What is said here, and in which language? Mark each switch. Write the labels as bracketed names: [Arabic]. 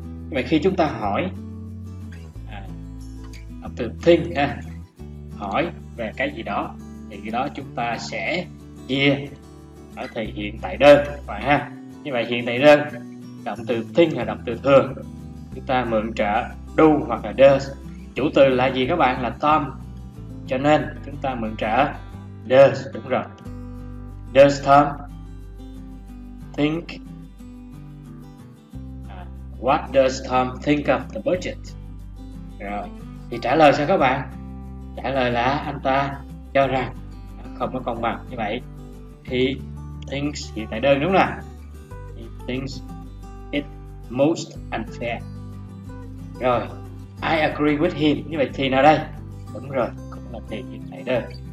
[Vietnamese] Như vậy khi chúng ta hỏi từ think ha, hỏi về cái gì đó, thì cái đó chúng ta sẽ chia ở thì hiện tại đơn phải ha. Như vậy hiện tại đơn, động từ think là động từ thường, chúng ta mượn trợ do hoặc là does. Chủ từ là gì các bạn? Là Tom. Cho nên chúng ta mượn trợ does, đúng rồi. [English] Does Tom think what does Tom think of the budget? [Vietnamese] Rồi, thì trả lời sao các bạn? Trả lời là anh ta cho rằng không có công bằng. Như vậy [English] he thinks [Vietnamese] hiện tại đơn, đúng không nào? [English] He thinks it most unfair. [Vietnamese] Rồi, [English] I agree with him. [Vietnamese] Như vậy thì nào đây? Đúng rồi, cũng là thì hiện tại đơn.